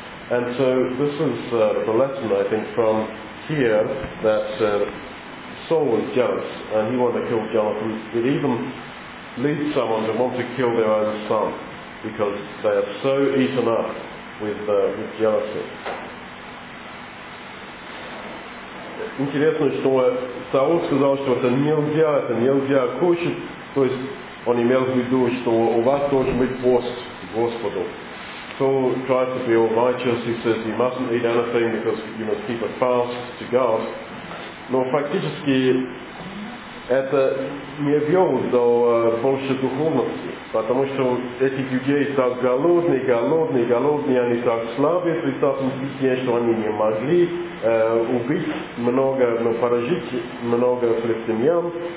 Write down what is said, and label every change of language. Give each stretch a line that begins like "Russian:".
English: And so this is the lesson, I think, from here, that Saul was jealous and he wanted to kill Jonathan. It even leads someone to want to kill their own son because they are so eaten up with jealousy.
Russian: Интересно, что Саул сказал, что это нельзя кушать, то есть он имел в виду, что у вас должен быть пост Господу.
English: Saul tried to be all righteous, he says he mustn't eat anything because you must keep a fast to God.
Russian: Но фактически это не вел до больше духовности, потому что эти людей так голодные, они так слабые, при таком пике, что они не могли убить много, но поражить много христиан.